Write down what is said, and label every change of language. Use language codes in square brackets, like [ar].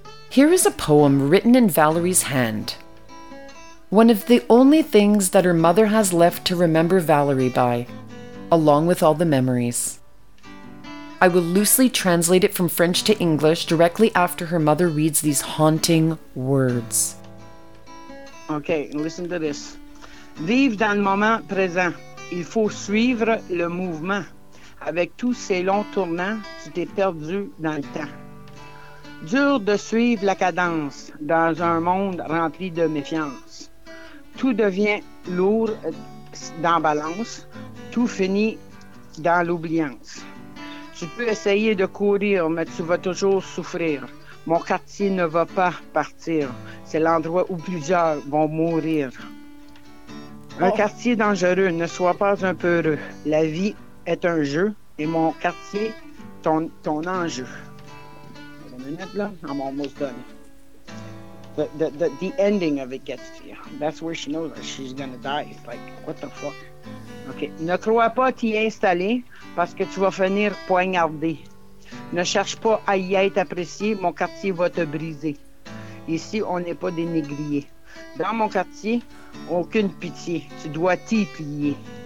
[en] Here is a poem written in Valerie's hand. One of the only things that her mother has left to remember Valerie by, along with all the memories. I will loosely translate it from French to English directly after her mother reads these haunting words. Okay, listen to this. [fr] Vivre dans le moment présent. Il faut suivre le mouvement. Avec tous ces longs tournants, tu t'es perdu dans le temps. Dur de suivre la cadence dans un monde rempli de méfiance. Tout devient lourd dans balance. Tout finit dans l'oubliance. Tu peux essayer de courir, mais tu vas toujours souffrir. Mon quartier ne va pas partir. C'est l'endroit où plusieurs vont mourir. Un quartier dangereux, ne sois pas un peu heureux. La vie est un jeu et mon quartier, ton enjeu. Une minute là, [en] I'm almost done. The ending of it gets to you. That's where she knows that she's gonna die. It's like, what the fuck? Okay. [fr] Ne crois pas t'y installer parce que tu vas finir poignardé. Ne cherche pas à y être apprécié, mon quartier va te briser. Ici, on n'est pas des négriers. Dans mon quartier, aucune pitié, tu dois t'y plier.